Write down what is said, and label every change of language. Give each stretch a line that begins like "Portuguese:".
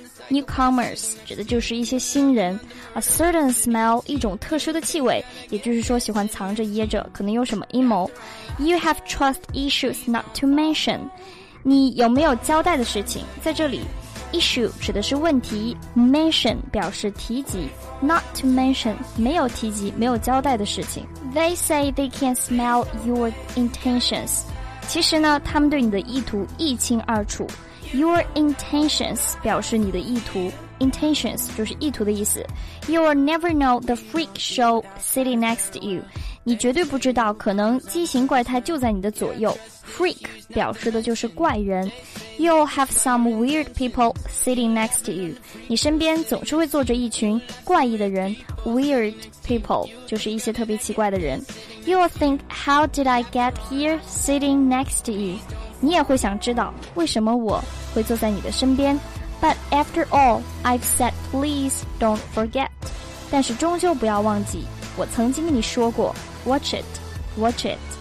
Chinese: newcomers 指的就是一些新人。
English: A certain smell，
Chinese: 一种特殊的气味，也就是说喜欢藏着掖着，可能有什么阴谋。
English: You have trust issues not to mention，
Chinese: 你有没有交代的事情。在这里 issue 指的是问题， mention 表示提及，
English: not to mention
Chinese: 没有提及，没有交代的事情。
English: They say they can smell your intentions，
Chinese: 其实呢他们对你的意图一清二楚。
English: Your intentions
Chinese: 表示你的意图，
English: intentions
Chinese: 就是意图的意思。
English: You'll never know the freak show sitting next to you，
Chinese: 你绝对不知道，可能畸形怪胎就在你的左右。 Freak 表示的就是怪人。
English: You'll have some weird people sitting next to you.
Chinese: 你身边总是会坐着一群怪异的人。
English: Weird people
Chinese: 就是一些特别奇怪的人。
English: You'll think, how did I get here sitting next to you?
Chinese: 你也会想知道为什么我会坐在你的身边。
English: But after all, I've said please don't forget.
Chinese: 但是终究不要忘记，我曾经跟你说过
English: Watch it, watch it.